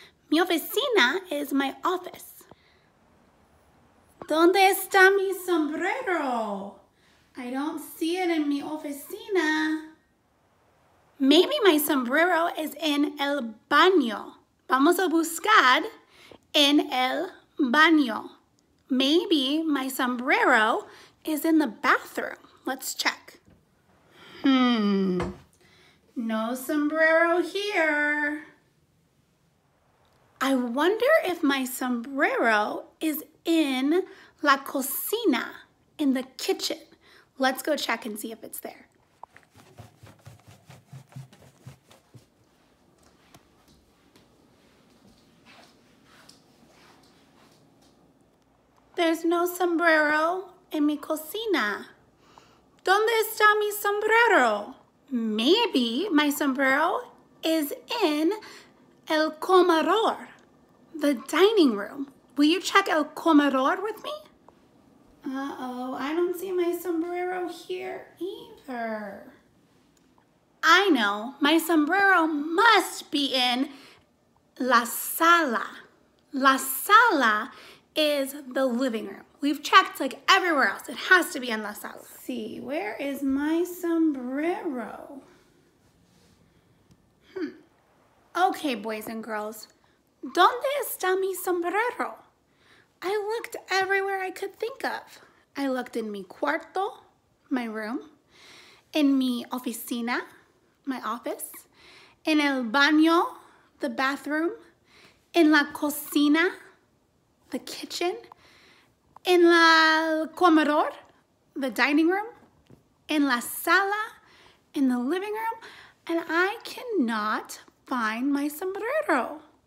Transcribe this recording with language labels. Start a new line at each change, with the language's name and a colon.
Spanish: Mi oficina
English: is my office.
Spanish: ¿Dónde está mi sombrero?
English: I don't see it in
Spanish: mi oficina.
English: Maybe my sombrero is in
Spanish: el baño. Vamos a buscar en el baño.
English: Maybe my sombrero is in the bathroom. Let's check. No sombrero here. I wonder if my sombrero is in
Spanish: la cocina,
English: in the kitchen. Let's go check and see if it's there. There's no sombrero
Spanish: en mi cocina. ¿Dónde está mi sombrero?
English: Maybe my sombrero is in
Spanish: el comedor,
English: the dining room. Will you check
Spanish: el comedor
English: with me? Uh-oh, I don't see my sombrero here either. I know, my sombrero must be in
Spanish: la sala. La sala
English: is the living room. We've checked like everywhere else. It has to be in
Spanish: la sala.
English: Let's see, where is my sombrero? Okay, boys and girls,
Spanish: ¿dónde está mi sombrero?
English: I looked everywhere I could think of. I looked in
Spanish: mi cuarto,
English: my room, in
Spanish: mi oficina,
English: my office, in
Spanish: el baño,
English: the bathroom, in
Spanish: la cocina,
English: the kitchen, in
Spanish: la comedor,
English: the dining room, in
Spanish: la sala,
English: in the living room, and I cannot find my sombrero.